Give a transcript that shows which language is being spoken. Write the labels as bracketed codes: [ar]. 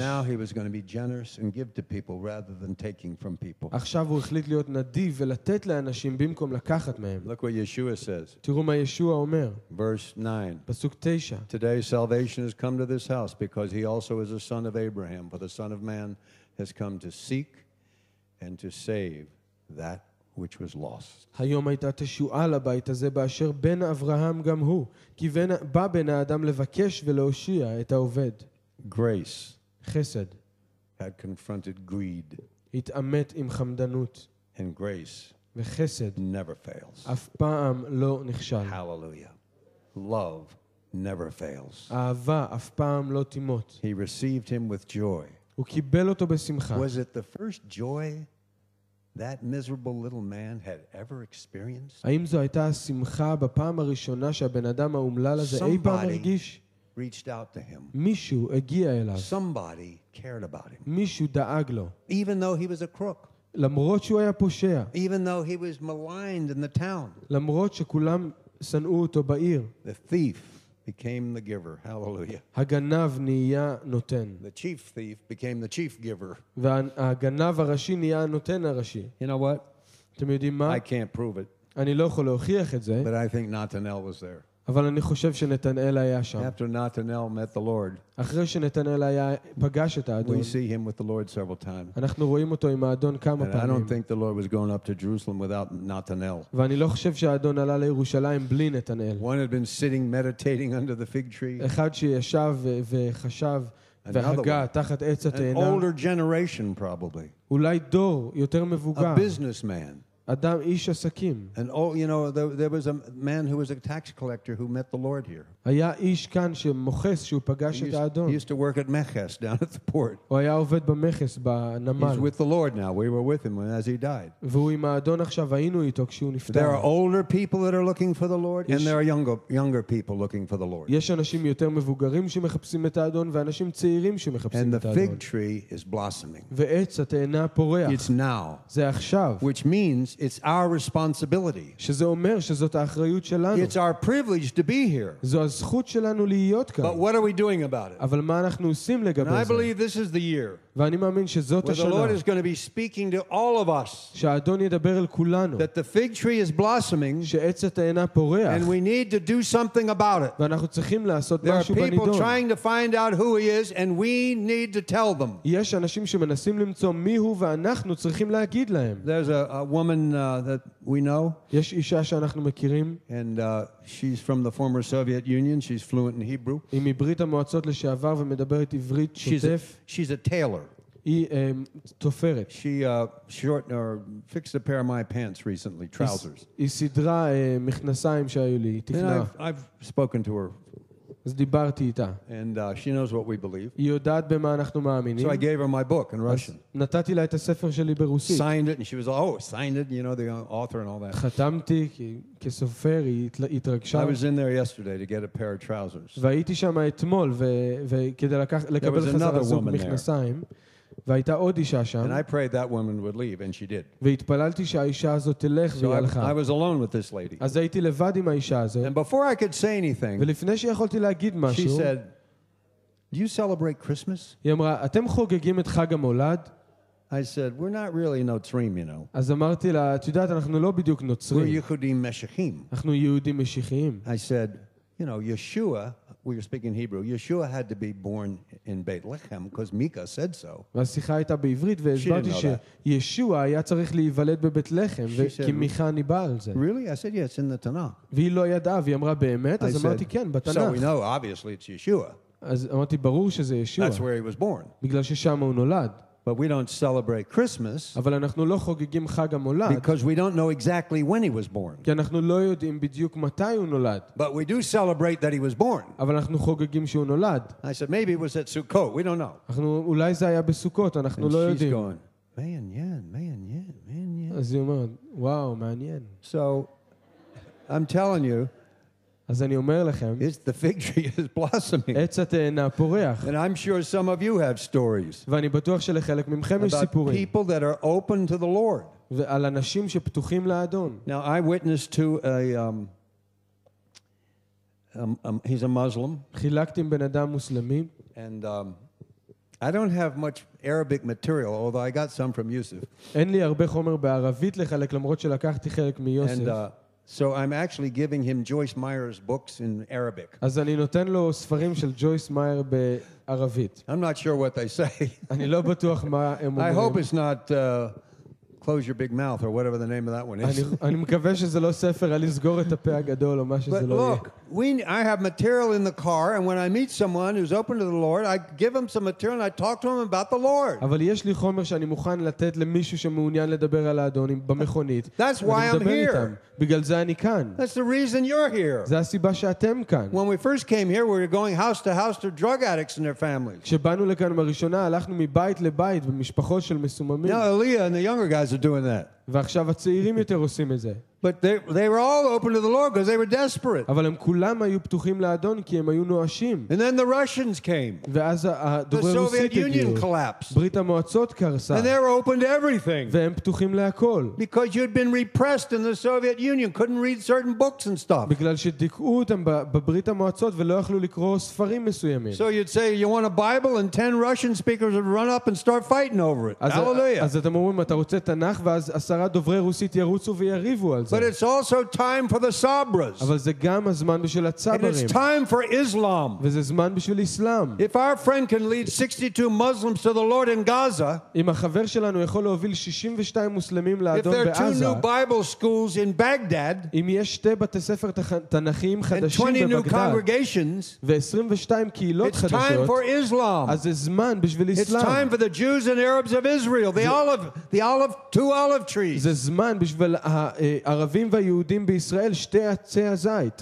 [en] Now he was going to be generous and give to people rather than taking from people. [he] עכשיו הוא החליט להיות נדיב ולתת לאנשים במקום לקחת מהם. [en] Look what Yeshua says. [he] תראו מה ישוע אומר. [en] Verse 9. [he] פסוק 9. [en] Today salvation has come to this house because he also is a son of Abraham. For the son of man has come to seek and to save that which was lost. [he] היום הייתה תשועה לבית הזה באשר בן אברהם גם הוא, כי בא בן האדם לבקש ולהושיע את העובד. [en] Grace. [he] חסד. [en] Had confronted greed. [he] התעמת עם חמדנות. [en] And grace. [he] וחסד. [en] Never fails. [he] אף פעם לא נכשל. [en] Hallelujah. Love never fails. [he] אהבה אף פעם לא תימות. [en] He received him with joy. [he] הוא קיבל אותו בשמחה. [en] Was it the first joy that miserable little man had ever experienced? [he] האם זו הייתה השמחה בפעם הראשונה שהבן אדם האומלל הזה אי פעם הרגיש? [en] Reached out to him. [he] מישהו הגיע אליו. [en] Somebody cared about him. [he] מישהו דאג לו. [en] Even though he was a crook. [he] למרות שהוא היה פושע. [en] Even though he was maligned in the town. [he] למרות שכולם שנאו אותו בעיר. [en] The thief became the giver. Hallelujah. [he] הגנב נהיה נותן. [en] The chief thief became the chief giver. [he] והגנב הראשי נהיה הנותן הראשי. [en] You know what? [he] אתם יודעים מה? [en] I can't prove it. [he] אני לא יכול להוכיח את זה. [en] But I think Nathanael was there. [he] אבל אני חושב שנתנאל היה שם. [en] After Nathanael met the Lord. [he] אחרי שנתנאל היה פגש את האדון. [en] We see him with the Lord several times. [he] אנחנו רואים אותו עם האדון כמה פעמים. [en] And I don't think the Lord was going up to Jerusalem without Nathanael. [he] ואני לא חושב שהאדון עלה לירושלים בלי נתנאל. [en] One had been sitting meditating under the fig tree. [he] אחד שישב וחשב והגע תחת עץ התאנה. [en] An older generation probably. [he] אולי דור יותר מבוגר. [en] A businessman. [he] אדם איש עסקים. [en] And oh, you know, there was a man who was a tax collector who met the Lord here. [he] היה איש כאן שמוכס שהוא פגש את האדון. [en] He used to work at Mechas down at the port. [he] הוא היה עובד במכס בנמל. [en] He's with the Lord now. We were with him as he died. [he] והוא עם האדון עכשיו, היינו איתו כשהוא נפטר. [en] There are older people that are looking for the Lord and there are younger people looking for the Lord. [he] יש אנשים יותר מבוגרים שמחפשים את האדון ואנשים צעירים שמחפשים את האדון. [en] And the fig tree is blossoming. [he] ועץ התאנה פורח. [en] It's now. [he] זה עכשיו. [en] Which means it's our responsibility. [he] שזה אומר שזאת האחריות שלנו. [en] It's our privilege to be here. [he] זו הזכות שלנו להיות כאן. [en] But what are we doing about it? [he] אבל מה אנחנו עושים לגבי זה? [en] And I believe this is the year. [he] ואני מאמין שזאת השנה. [en] The Lord is going to be speaking to all of us. [he] שהאדון ידבר אל כולנו. [en] That the fig tree is blossoming. [he] שעץ התאנה פורח. [en] And we need to do something about it. [he] ואנחנו צריכים לעשות משהו בנידון. [en] There are people trying to find out who he is and we need to tell them. [he] יש אנשים שמנסים למצוא מי הוא ואנחנו צריכים להגיד להם. [en] There's a woman that we know. [he] יש אישה שאנחנו מכירים. [en] And she's from the former Soviet Union. She's fluent in Hebrew. [he] היא מברית המועצות לשעבר ומדברת עברית שוטף. [en] She's a tailor. [he] היא תופרת. [en] She shortened or fixed a pair of my pants recently, trousers. [he] היא סידרה מכנסיים שהיו לי, תכנה. [en] I've spoken to her. [he] אז דיברתי איתה. [en] And she knows what we believe. [he] היא יודעת במה אנחנו מאמינים. [en] So I gave her my book in Russian. [he] נתתי לה את הספר שלי ברוסית. [en] Signed it, and she was like, oh, signed it, you know, the author and all that. [he] חתמתי כסופר, היא התרגשה. [en] I was in there yesterday to get a pair of trousers. [he] והייתי שם אתמול, וכדי לקבל חזרה זוג מכנסיים. והייתה עוד אישה שם. [en] And I prayed that woman would leave, and she did. [he] והתפללתי שהאישה הזאת תלך והלכה. [en] So I was alone with this lady. [he] אז הייתי לבד עם האישה הזאת. [en] And before I could say anything, [he] ולפני שיכולתי להגיד משהו, [en] she said, "Do you celebrate Christmas?" [he] היא אמרה, "אתם חוגגים את חג המולד?" [en] I said, "We're not really Nutzrim, you know." [he] אז אמרתי לה, "את יודעת, אנחנו לא בדיוק נוצרים." We're Yehudim Meshichim. אנחנו יהודים משיחיים. [en] I said, "You know, Yeshua." We were speaking Hebrew. Yeshua had to be born in Bethlehem because Mika said so. [he] והשיחה הייתה בעברית, והסברתי שישוע היה צריך להיוולד בבית לחם, כי מיכה ניבא על זה. [en] Really? I said, yes, in the Tanakh. [he] והיא לא ידעה, והיא אמרה באמת, אז אמרתי כן, בתנך. [en] So we know, obviously, it's Yeshua. [he] אז אמרתי, ברור שזה ישוע. [en] That's where he was born. [he] בגלל ששם הוא נולד. [en] But we don't celebrate Christmas. [he] אבל אנחנו לא חוגגים חג המולד. [en] Because we don't know exactly when he was born. [he] כי אנחנו לא יודעים בדיוק מתי הוא נולד. [en] But we do celebrate that he was born. [he] אבל אנחנו חוגגים שהוא נולד. [en] I said maybe it was at Sukkot. We don't know. [he] אנחנו אולי זה היה בסוכות, אנחנו לא יודעים. [en] She's going. Man, yeah. [he] אז היא אומרת, וואו, מעניין. [en] So I'm telling you. [he] אז אני אומר לכם, [en] it's the fig tree is blossoming. [he] עץ התאנה פורח. [en] And I'm sure some of you have stories. [he] ואני בטוח שלחלק ממכם יש סיפורים. [en] About people that are open to the Lord. [he] ועל אנשים שפתוחים לאדון. [en] Now I witnessed to a he's a Muslim. [he] חילקתי עם בן אדם מוסלמי. [en] And I don't have much Arabic material, although I got some from Yusuf. [he] אין לי הרבה חומר בערבית לחלק, למרות שלקחתי חלק מיוסף. [en] And so I'm actually giving him Joyce Meyer's books in Arabic. [he] אז אני נותן לו ספרים של ג'ויס מאייר בערבית. [en] I'm not sure what they say. [he] אני לא בטוח מה הם אומרים. [en] I hope it's not close your big mouth or whatever the name of that one is. [he] אני מקווה שזה לא ספר על לסגור את הפה הגדול או מה שזה לא יהיה. [en] But look, I have material in the car, and when I meet someone who's open to the Lord, I give him some material and I talk to him about the Lord. [he] אבל יש לי חומר שאני מוכן לתת למישהו שמעוניין לדבר על האדון במכונית. [en] That's why I'm here. [he] בגלל זה אני כאן. [en] That's the reason you're here. [he] זו הסיבה שאתם כאן. [en] When we first came here, we were going house to house to drug addicts and their families. [he] כשבאנו לכאן בראשונה, הלכנו מבית לבית במשפחות של מסוממים. [en] Now Aliyah and the younger guys are doing that. [he] ועכשיו הצעירים יותר עושים את זה. [en] But they were all open to the Lord because they were desperate. [he] אבל הם כולם היו פתוחים לאדון כי הם היו נואשים. [en] And then the Russians came. [he] ואז הדוברי רוסית הגיעו. [en] The Soviet Union collapsed. [he] ברית המועצות קרסה. [en] And they were open to everything. [he] והם פתוחים להכל. [en] Because you'd been repressed in the Soviet Union, couldn't read certain books and stuff. [he] בגלל שדיכאו אותם בברית המועצות ולא יכלו לקרוא ספרים מסוימים. [en] So you'd say you want a Bible and 10 Russian speakers would run up and start fighting over it. Hallelujah. [he] אז אתם אומרים אתה רוצה תנ"ך ואז 10 דוברי רוסית ירוצו ויריבו על זה. [en] But it's also time for the sabras. [he] אבל זה גם הזמן בשביל הצברים. [en] And it's time for Islam. [he] וזה זמן בשביל אסלאם. [en] If our friend can lead 62 Muslims to the Lord in Gaza. [he] אם החבר שלנו יכול להוביל 62 מוסלמים לאדון בעזה. [en] If there are 2 new Bible schools in Baghdad. [he] אם יש 2 בתי ספר תנכיים חדשים בבגדד. [en] And 20 new congregations. [he] ו-22 קהילות חדשות. [en] It's time for Islam. [he] אז זה זמן בשביל אסלאם. [en] It's time for the Jews and Arabs of Israel, the two olive trees. [he] זה זמן בשביל ערבים ויהודים בישראל שתי עצי הזית.